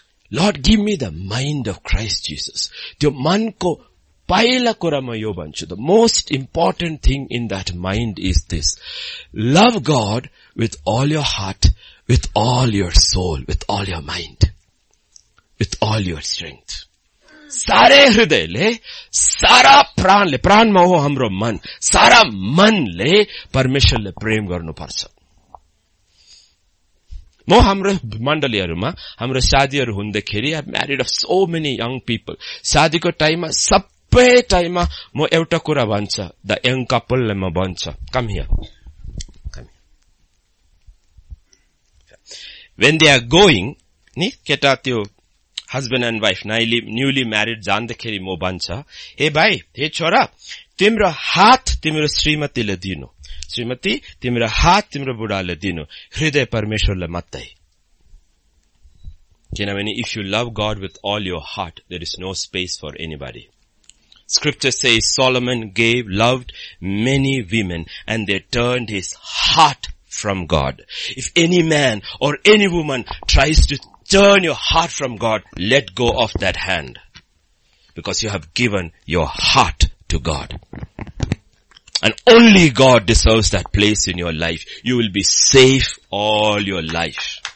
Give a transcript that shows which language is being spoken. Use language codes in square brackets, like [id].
[en] Lord, give me the mind of Christ Jesus. [ne] Tyo man ko paila kura ma yo banchu. [en] The most important thing in that mind is this. Love God with all your heart, with all your soul, with all your mind, with all your strength. [ne] सारे हृदयले, सारा प्राणले, प्राणमा हो हाम्रो मन, सारा मनले परमेश्वरले प्रेम गर्नुपर्छ। म हाम्रो मण्डलीहरूमा हाम्रो शादीहरू हुँदाखेरि [en] I married off so many young people, [ne] शादीको टाइममा सबै टाइममा म एउटा कुरा भन्छ द यङ कपलले, म भन्छ [en] come here, when they are going, [ne] नि केटा त्यो [en] husband and wife नाइली newly married [ne] जाँदाखेरि म भन्छ, हे भाई, हे छोरा, तिम्रो हात तिम्रो श्रीमतीले दिनु, श्रीमती तिम्रो हात तिम्रो बुढाले दिनु, हृदय परमेश्वरले मात्रै। [en] किनभने if you love God with all your heart, there is no space for anybody. Scripture says Solomon gave loved many women and they turned his heart from God. If any man or any woman tries to turn your heart from God, let go of that hand, because you have given your heart to God, and only God deserves that place in your life. You will be safe all your life.